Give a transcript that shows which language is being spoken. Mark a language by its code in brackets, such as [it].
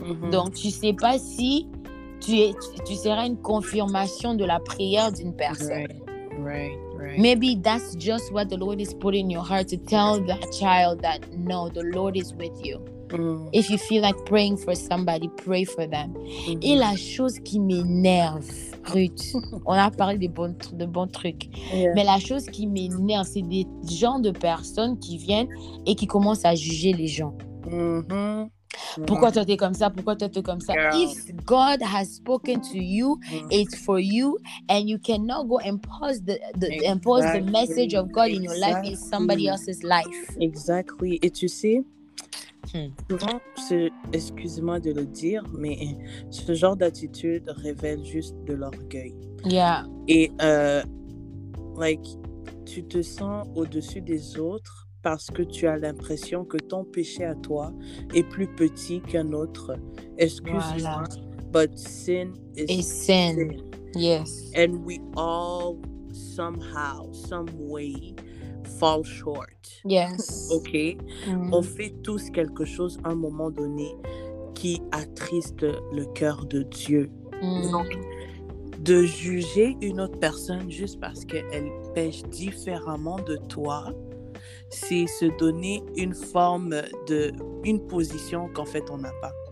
[fr] Donc, tu sais pas si tu seras une confirmation de la prière d'une personne. [en] Right. Maybe that's just what the Lord is putting in your heart to tell that child that no, the Lord is with you. If you feel like praying for somebody, pray for them. [fr] Et la chose qui m'énerve, Ruth, on a parlé de bons trucs, mais la chose qui m'énerve, c'est des gens de personnes qui viennent et qui commencent à juger les gens. Pourquoi toi t'es comme ça? Pourquoi toi t'es comme ça? [en] Yeah. If God has spoken to you, it's for you, and you cannot go impose impose the message of God in your life in somebody else's life. Exactly. [fr] Et tu sais, souvent, excuse-moi de le dire, mais ce genre d'attitude révèle juste de l'orgueil. [en] Yeah. [fr] Et, tu te sens au-dessus des autres parce que tu as l'impression que ton péché à toi est plus petit qu'un autre. Excuse-moi, [en] but sin is sin. Yes. And we all somehow, some way, fall short. Yes. Okay. [fr] On fait tous quelque chose à un moment donné qui attriste le cœur de Dieu. Donc, de juger une autre personne juste parce qu'elle pêche différemment de toi, c'est se donner une forme de une position qu'en fait on n'a pas.